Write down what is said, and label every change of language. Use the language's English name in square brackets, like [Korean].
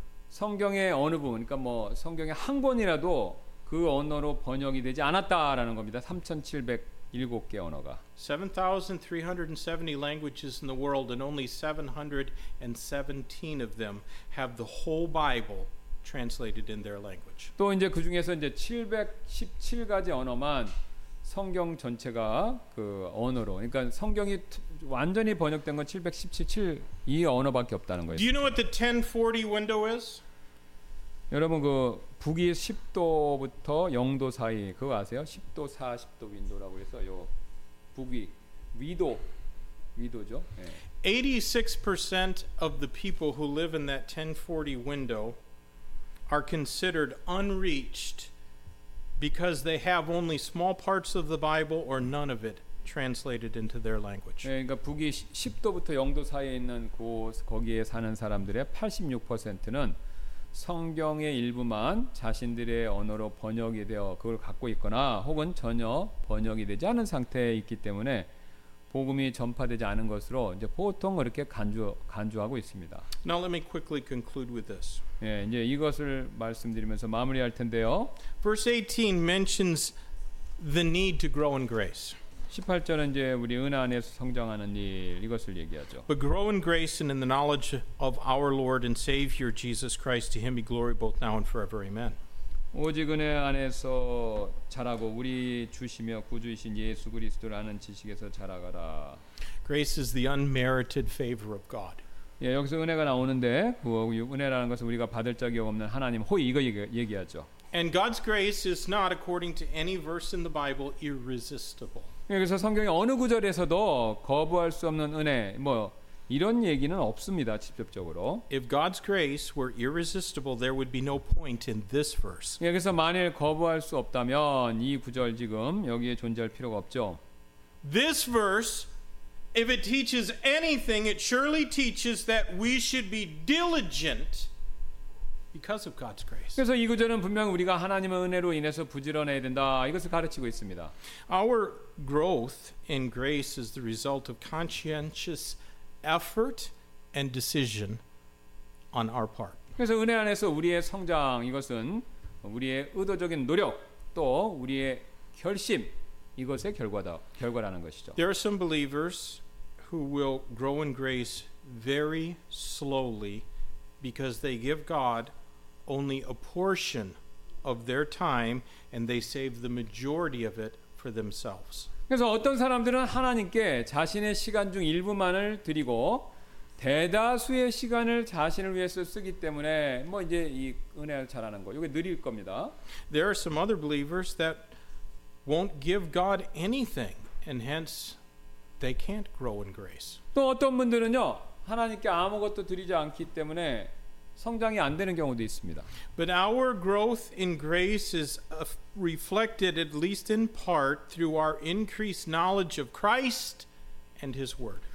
[Korean] 성경의 어느 부분, 그러니까 뭐 성경의 한 권이라도 그 언어로 번역이 되지 않았다라는 겁니다. 3,700 [English] 7,370 languages in the world and only 717 of them have the whole Bible translated in their language. [Korean] 또 이제 그 중에서 이제 717가지 언어만 성경 전체가 그 언어로 그러니까 성경이 완전히 번역된 건 717 이 언어밖에 없다는 거예요. [English] Do you know what the 1040 window is? [Korean] 여러분 그 북위 10도부터 0도 사이 그거 아세요? 10도 40도 윈도라고 해서 요 북위 위도 위도죠. 네. [English] 86% of the people who live in that 1040 window are considered unreached because they have only small parts of the Bible or none of it translated into their language. [Korean] 네, 그러니까 북위 10도부터 0도 사이에 있는 곳 거기에 사는 사람들의 86%는 성경의 일부만 자신들의 언어로 번역이 되어 그걸 갖고 있거나 혹은 전혀 번역이 되지 않은 상태에 있기 때문에 복음이 전파되지 않은 것으로 이제 보통 그렇게 간주하고 있습니다. [English] Now let me quickly conclude with this. [Korean] 예, 이제 이것을 말씀드리면서 마무리할 텐데요. [English] Verse 18 mentions the need to grow in grace. [Korean] 18절은 이제 우리 은혜 안에서 성장하는 일 이것을 얘기하죠. [English] But grow in grace and in the knowledge of our Lord and Savior Jesus Christ. To him be glory both now and forever. Amen. [Korean] 오직 은혜 안에서 자라고 우리 주시며 구주이신 예수 그리스도라는 지식에서 자라가라. [English] Grace is the unmerited favor of God. [Korean] 예, 여기서 은혜가 나오는데 그 은혜라는 것은 우리가 받을 자격 없는 하나님 호의 이거 얘기하죠. [English] And God's grace is not according to any verse in the Bible irresistible. [Korean] 그래서 성경의 어느 구절에서도 거부할 수 없는 은혜 뭐 이런 얘기는 없습니다 직접적으로. [English] If God's grace were irresistible, there would be no point in this verse. [Korean] 그래서 만일 거부할 수 없다면 이 구절 지금 여기에 존재할 필요가 없죠. [English] This verse, if it teaches anything, it surely teaches that we should be diligent because of God's grace. [Korean] 그래서 이 구절은 분명 우리가 하나님의 은혜로 인해서 부지런해야 된다. 이것을 가르치고 있습니다. [English] Our growth in grace is the result of conscientious effort and decision on our part. [Korean] 그래서 은혜 안에서 우리의 성장 이것은 우리의 의도적인 노력 또 우리의 결심 이것의 결과다. 결과라는 것이죠. [English] There are some believers who will grow in grace very slowly because they give God only a portion of their time and they save the majority of it for themselves. [Korean] 그래서 어떤 사람들은 하나님께 자신의 시간 중 일부만을 드리고 대다수의 시간을 자신을 위해서 쓰기 때문에 뭐 이제 이 은혜를 잘하는 거 이게 느릴 겁니다. [English] There are some other believers that won't give God anything and hence they can't grow in grace. [Korean] 또 어떤 분들은요. 하나님께 아무것도 드리지 않기 때문에 성장이 안 되는 경우도 있습니다. [English] But our growth in grace is reflected at least in part through our increased knowledge of Christ and his word.